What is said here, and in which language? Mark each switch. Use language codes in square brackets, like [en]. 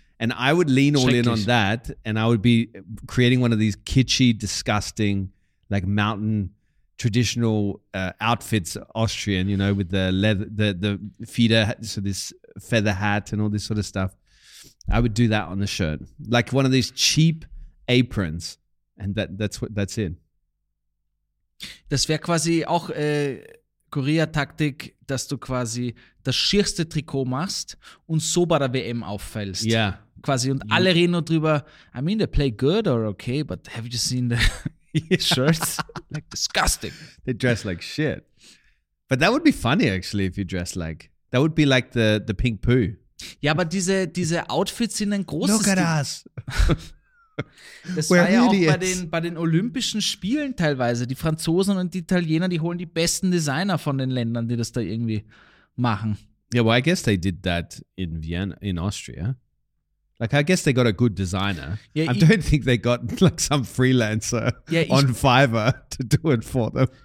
[en] And I would lean all in on that, and I would be creating one of these kitschy, disgusting, like mountain traditional outfits, Austrian, you know, with the leather, the feeder, so this feather hat and all this sort of stuff. I would do that on the shirt, like one of these cheap aprons, and that's it. [de] Das wäre quasi auch Korea-Taktik, dass du quasi das schierste Trikot machst und so bei der WM auffällst. Ja. [en] Yeah. [de] Quasi und alle reden nur drüber, [en] I mean, they play good or okay, but have you seen the shirts? Like, disgusting. They dress like shit. But that would be funny, actually, if you dress like, that would be like the pink poo. [de] Ja, aber diese Outfits sind ein großes [en] Look at us. [de] Das war ja auch bei den Olympischen Spielen teilweise. Die Franzosen und die Italiener, die holen die besten Designer von den Ländern, die das da irgendwie machen. [en] Yeah, well, I guess they did that in Vienna, in Austria. Like, I guess they got a good designer. Yeah, I don't think they got like some freelancer on Fiverr to do it for them.